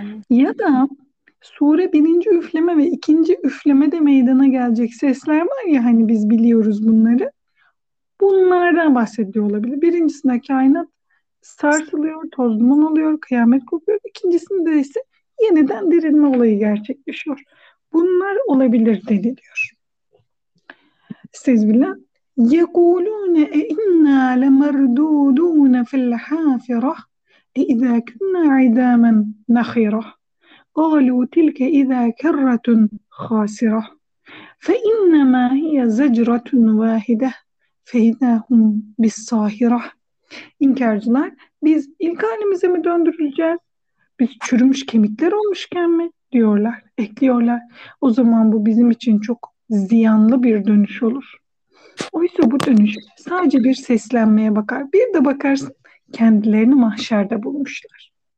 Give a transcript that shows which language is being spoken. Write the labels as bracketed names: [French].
[Turkish] Ya da sure birinci üfleme ve ikinci üflemede meydana gelecek sesler var ya, hani biz biliyoruz bunları. Bunlardan bahsediyor olabilir. Birincisinde kainat sarsılıyor, toz duman oluyor, kıyamet kopuyor. İkincisinde ise yeniden dirilme olayı gerçekleşiyor. Bunlar olabilir deniliyor. Siz bilin. [Arabic] يَقُولُونَ اِنَّا لَمَرْدُودُونَ فِي الْحَافِرَةِ اِذَا كُنَّا عِدَامًا نَخِرَةً قَالُوا تِلْكَ اِذَا كَرَّةٌ خَاسِرَةٌ فَاِنَّمَا هِيَ زَجْرَةٌ وَاهِدَةٌ فَاِذَا هُمْ بِالسَّاهِرَةِ [Turkish] İnkarcılar, biz ilk halimize mi döndürüleceğiz? Biz çürümüş kemikler olmuşken mi? Diyorlar, ekliyorlar. O zaman bu bizim için çok ziyanlı bir dönüş olur. Oysa bu dönüş sadece bir seslenmeye bakar. Bir de bakarsın kendilerini mahşerde bulmuşlar.